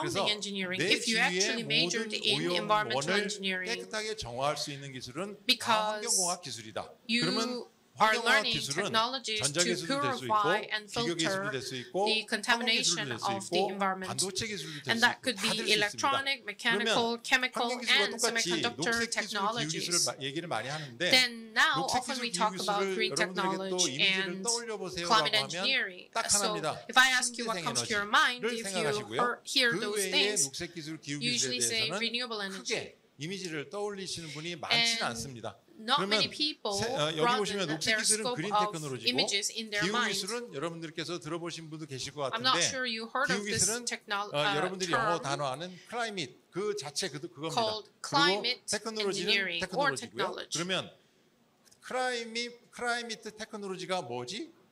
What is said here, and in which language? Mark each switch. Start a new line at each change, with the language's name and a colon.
Korean: 그래서 내 주위의 모든 오염원을 깨끗하게 정화할 수 있는 기술은 환경공학 기술이다. 그러면
English: are learning technologies to purify and filter the contamination of the environment. And that could be electronic, mechanical, chemical, and semiconductor technologies. Then now often we talk about green technology and climate engineering. So if I ask you what comes to your mind, if you hear those things, usually say renewable energy.
Korean: 이미지를 떠올리시는 분이 많지는 않습니다.
English: Not 그러면 many people
Korean: 여기 오시면 녹색 기술은 그린 테크놀로지고 기후 기술은 여러분들께서 들어보신 분도 계실 것 같은데 기후 기술은 여러분들이 영어 단어 아는 클라이밋 그 자체 그겁니다. 그리고 테크놀로지는 테크놀로지고요. 그러면 클라이밋 테크놀로지가 뭐지?